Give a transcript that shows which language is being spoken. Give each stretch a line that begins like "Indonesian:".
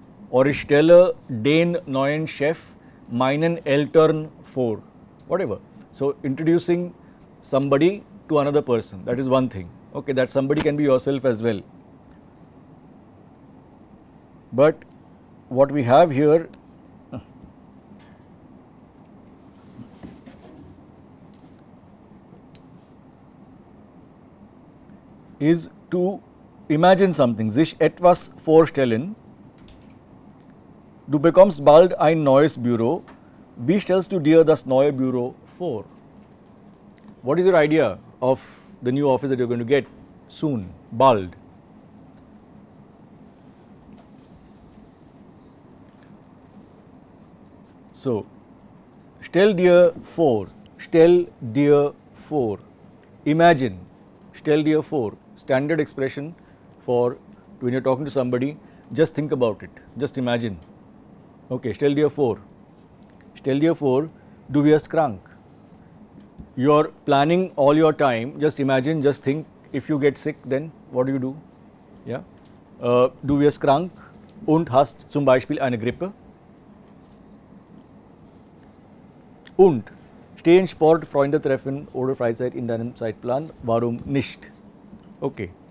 German: Or ich stelle den neuen Chef meinen Eltern vor, whatever.
English: So introducing somebody to another person, that is one thing. Okay, that somebody can be yourself as well. But what we have here, is to imagine something,
German: sich etwas vorstellen. Du bekommst bald ein neues Büro. Wie stellst du dir das neue Büro vor?
English: What is your idea of the new office that you are going to get soon, bald? So,
German: stell dir vor, stell dir vor,
English: imagine,
German: stell dir vor,
English: standard expression for when you are talking to somebody, just think about it, just imagine.
German: Okay, stell dir vor, stell dir vor, du wirst krank.
English: You are planning all your time, just imagine, just think, if you get sick, then what do you do?
German: Yeah, du wirst krank und hast zum Beispiel eine Grippe. Und steh in Sport, Freunde treffen oder Freizeit in deinem Zeitplan, warum nicht? Okay.